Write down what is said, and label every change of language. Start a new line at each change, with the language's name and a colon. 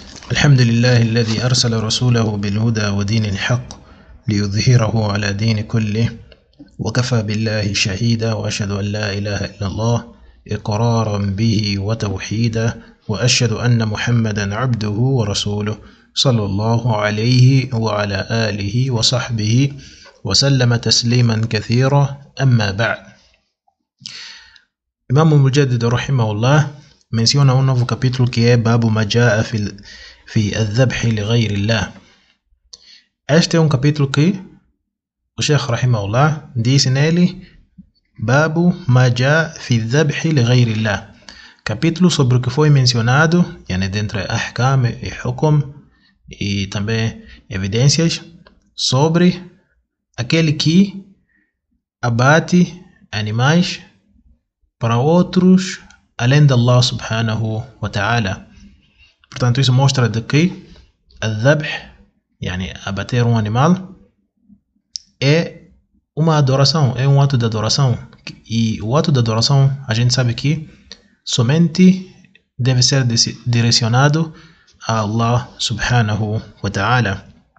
Arabic: الحمد لله الذي أرسل رسوله بالهدى ودين الحق ليظهره على دين كله وكفى بالله شهيدا وأشهد أن لا إله إلا الله إقرارا به وتوحيدا وأشهد أن محمدا عبده ورسوله صلى الله عليه وعلى آله وصحبه وسلم تسليما كثيرا أما بعد. إمام المجدد رحمه الله
Spanish: menciona un nuevo capítulo que es Babu Maja'a fi al-Dhabhi li ghayrillah. Este es un capítulo que el Sheikh Rahimahullah dice en él Babu Maja'a fi al-Dhabhi li ghayrillah. Capítulo sobre lo que fue mencionado, yani dentro de ahkam y hukum y también evidencias sobre aquel que abate animales para otros
Portuguese: além de
Spanish: Allah subhanahu wa ta'ala.
Portuguese: Portanto, isso mostra de que al-dhabh, yani abater um animal, é uma adoração, é um ato de adoração. E o ato de adoração, a gente sabe que somente deve ser direcionado a Allah subhanahu wa ta'ala.